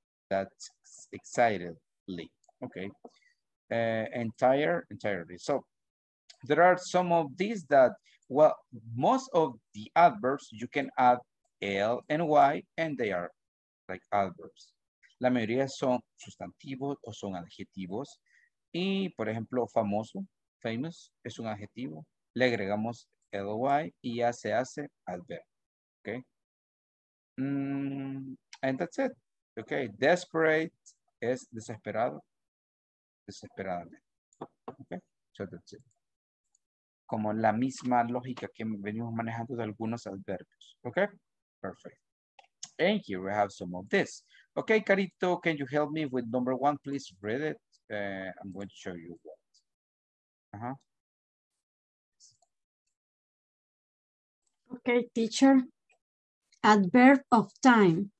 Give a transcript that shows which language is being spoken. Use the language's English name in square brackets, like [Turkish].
[English] That's excitedly, okay? Entirely. So, there are some of these that, well, most of the adverbs you can add L and Y, and they are like adverbs. [Spanish] La mayoría son sustantivos o son adjetivos. Y, por ejemplo, famoso, famous, es un adjetivo. Le agregamos L o Y y ya se hace adverb. [English] Okay. And that's it. Okay. [Spanish] Desperate es desesperado. Desesperadamente. Okay. [English] So that's it. [Spanish] Como la misma lógica que venimos manejando de algunos adverbios. [English] Okay. Perfect. And here we have some of this. Okay, Carito, can you help me with number one? Please read it. I'm going to show you what. Okay, teacher. Adverb of time.